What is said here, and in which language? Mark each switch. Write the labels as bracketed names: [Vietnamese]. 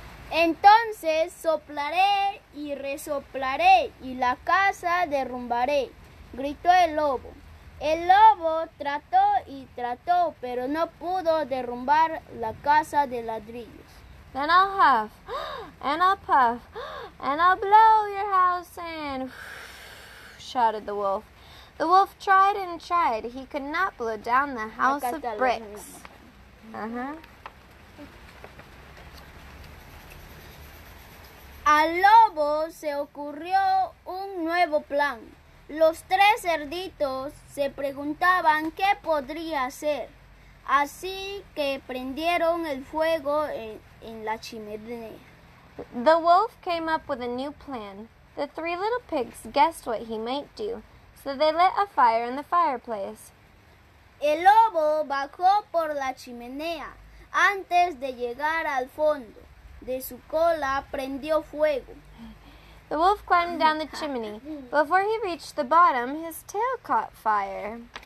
[Spanish] Entonces soplaré y la casa derrumbaré, gritó el lobo. El lobo trató y trató, pero no pudo derrumbar la casa de ladrillos. [English] Then I'll huff, and I'll puff, and I'll blow your house in, shouted the wolf. The wolf tried and tried. He could not blow down the house of bricks. [Spanish] Al lobo se ocurrió un nuevo plan. Los tres cerditos se preguntaban qué podría hacer. Así que prendieron el fuego en la chimenea. [English] The wolf came up with a new plan. The three little pigs guessed what he might do, so they lit a fire in the fireplace. [Spanish] El lobo bajó por la chimenea. Antes de llegar al fondo, de su cola prendió fuego. [English] The wolf climbed down the chimney. Before he reached the bottom, his tail caught fire.